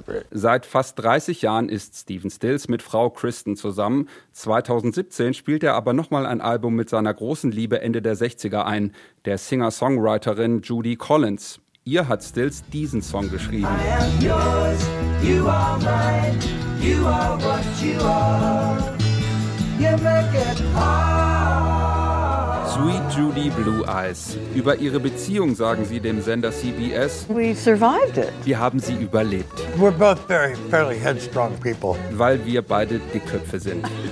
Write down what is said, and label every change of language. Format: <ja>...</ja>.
<de>Seit fast 30 Jahren ist Stephen Stills mit Frau Kristen zusammen. 2017 spielt er aber nochmal ein Album mit seiner großen Liebe Ende der 60er ein, der Singer-Songwriterin Judy Collins. Ihr hat Stills diesen Song geschrieben.</de> <en>I am yours, you are mine, you are what you are, you make it hard. Sweet Judy Blue Eyes.</en> <de>Über ihre Beziehung sagen sie dem Sender CBS.</de> <en>We survived it.</en> <de>Wir haben sie überlebt.</de> <en>We're both very, fairly headstrong people.</en> <de>Weil wir beide Dickköpfe sind.</de>